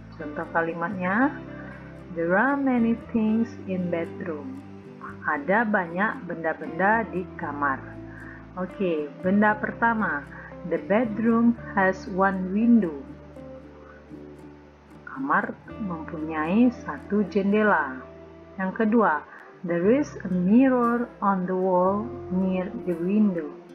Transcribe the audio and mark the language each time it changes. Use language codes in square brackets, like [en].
[id] Contoh kalimatnya, [en] there are many things in bedroom. [id] Ada banyak benda-benda di kamar. Oke, benda pertama, [en] the bedroom has one window. [id] Kamar mempunyai satu jendela. Yang kedua, [en] there is a mirror on the wall near the window.